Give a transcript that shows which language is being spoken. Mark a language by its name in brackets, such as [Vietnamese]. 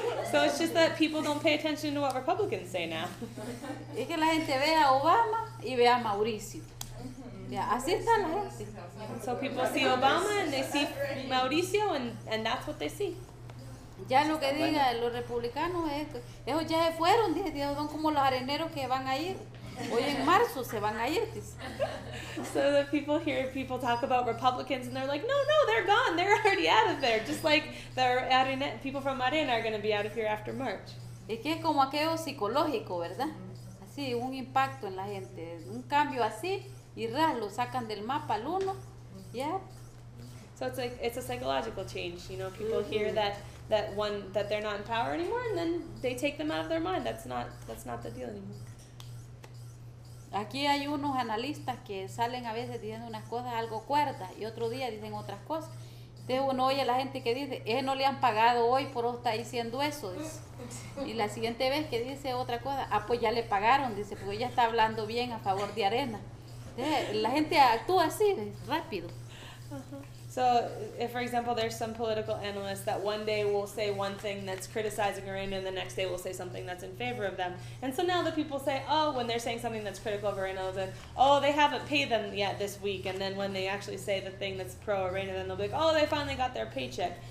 [English] So it's just that people don't pay attention to what Republicans say now. [Spanish] Es que la gente ve a Obama y ve a Mauricio. Yeah, así está la gente. [English] So people see Obama and they see Mauricio and that's what they see. [Spanish] Ya lo que digan los republicanos, ellos ya se fueron, son como los areneros que van a ir. Hoy en marzo se van a ir. [English] So the people hear people talk about Republicans and they're like, no, they're gone. They're already out of there. Just like people from Arena are going to be out of here after March. [Spanish] Es que es como aquello psicológico, ¿verdad? Así, un impacto en la gente. Un cambio así, y ras, lo sacan del mapa al uno. Yeah. [English] So it's a psychological change. You know, people hear that they're not in power anymore and then they take them out of their mind. That's not the deal anymore. [Spanish] Aquí hay unos analistas que salen a veces diciendo unas cosas algo cuerdas y otro día dicen otras cosas. Entonces uno oye a la gente que dice, no le han pagado hoy por estar diciendo eso. Dice. Y la siguiente vez que dice otra cosa, pues ya le pagaron, dice, porque ya está hablando bien a favor de Arena. Entonces, la gente actúa así, rápido. [English] So, if for example, there's some political analyst that one day will say one thing that's criticizing Arena and the next day will say something that's in favor of them. And so now the people say, when they're saying something that's critical of Arena, then, they haven't paid them yet this week. And then when they actually say the thing that's pro-Arena, then they'll be like, they finally got their paycheck.